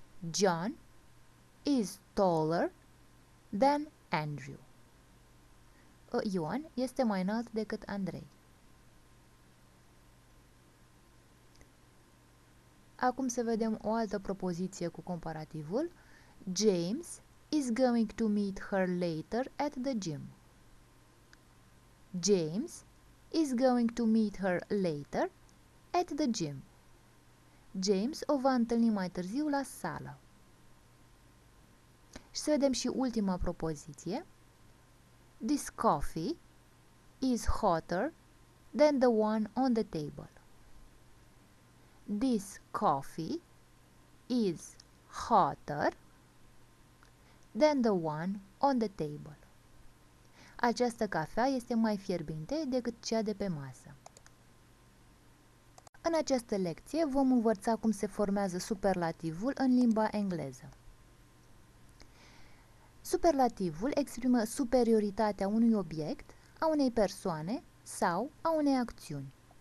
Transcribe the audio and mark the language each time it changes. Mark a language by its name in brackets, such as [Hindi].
[English] John is taller than Andrew. [Romanian] Ioan este mai înalt decât Andrei. Acum să vedem o altă propoziție cu comparativul. [English] James is going to meet her later at the gym. James is going to meet her later at the gym. [Romanian] James o va întâlni mai târziu la sală. Și să vedem și ultima propoziție. [English] This coffee is hotter than the one on the table. This coffee is hotter than the one on the table. [Romanian] Această cafea este mai fierbinte decât cea de pe masă. În această lecție vom învăța cum se formează superlativul în limba engleză. Superlativul exprimă superioritatea unui obiect, a unei persoane sau a unei acțiuni.